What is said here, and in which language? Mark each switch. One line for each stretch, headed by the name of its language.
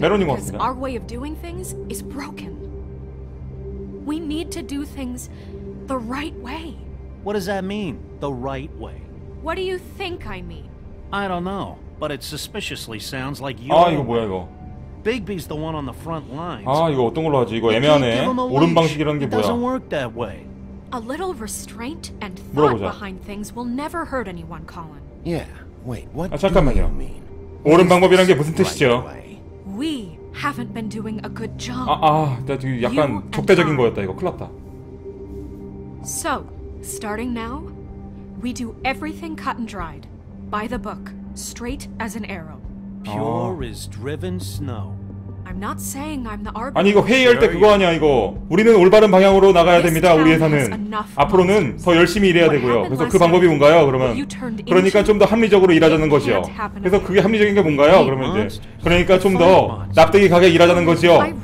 English: it because our way of doing things is broken. We need to do things the right way. What does that mean, the right way? What do you think I mean? I don't know, but it suspiciously sounds like
Korean: you. 아 이거 뭐야 이거?
English: Bigby's the one on the front lines.
Korean: 아 이거 어떤 걸로 하지? 이거 애매하네. 옳은 방식이라는 게 뭐야?
English: It doesn't work that way. A little restraint and thought
Korean: 물어보자.
English: behind things will never hurt anyone, Colin. Yeah. Wait. What
Korean: 아, 잠깐만요.
English: do you mean?
Korean: 옳은 방법이란 게 무슨 뜻이죠?
English: We haven't been doing a good job.
Korean: 아, 나 지금 약간 적대적인 거였다. 이거 큰일 났다.
English: So, starting now, we do everything cut and dried, by the book, straight as an arrow. Pure is driven snow. I'm not saying I'm the arbiter.
Korean: 아니 이거 회의할 때 그거 아니야 이거. 우리는 올바른 방향으로 나가야 됩니다. 우리 회사는 앞으로는 더 열심히 일해야 되고요. 그래서 그 방법이 뭔가요? 그러면 그러니까 좀 더 합리적으로 일하자는 것이요. 그래서 그게 합리적인 게 뭔가요? 그러면 이제 그러니까 좀 더 납득이 가게 일하자는 것이요.